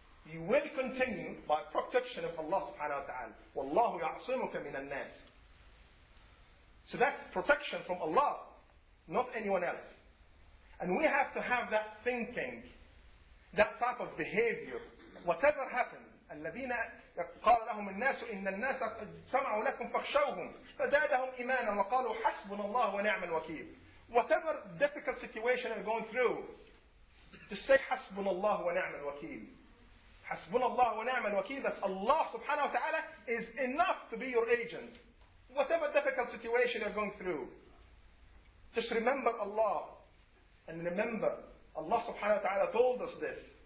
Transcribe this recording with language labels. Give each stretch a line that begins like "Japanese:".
English: He will continue by protection of Allah subhanahu wa ta'ala.
Arabic: Wallahu ya'asimuka minal nas.
English: So that's protection from Allah, not anyone else. And we have to have that thinking, that type of behavior, whatever happens.
Arabic: الذين قال لهم الناس إن الناس سمعوا لكم فخشوهم فزادهم إيمانا وقالوا حسبنا الله ونعم الوكيل.
English: Whatever difficult situation you're going through, just say
Arabic: حسبنا الله ونعم الوكيل. حسبنا الله ونعم الوكيل,
English: that Allah subhanahu wa ta'ala is enough to be your agent. Whatever difficult situation you're going through, just remember Allah, and remember Allah subhanahu wa ta'ala told us this.